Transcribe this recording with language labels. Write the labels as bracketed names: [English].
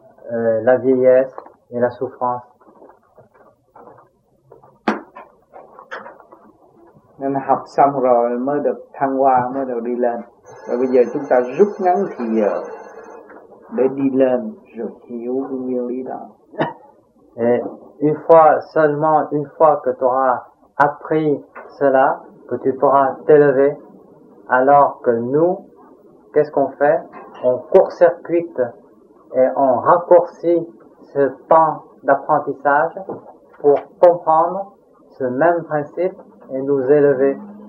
[French] la vieillesse et la souffrance. [Vietnamese] Nên học xong rồi mới được thăng hoa, mới được đi lên. Rồi bây giờ chúng ta rút ngắn thì giờ để đi lên rồi hiểu cái nguyên lý đó. [French] Et une fois, seulement une fois que tu auras appris cela, que tu pourras t'élever, alors que nous, qu'est-ce qu'on fait? On court-circuite et on raccourcit ce temps d'apprentissage pour comprendre ce même principe et nous élever.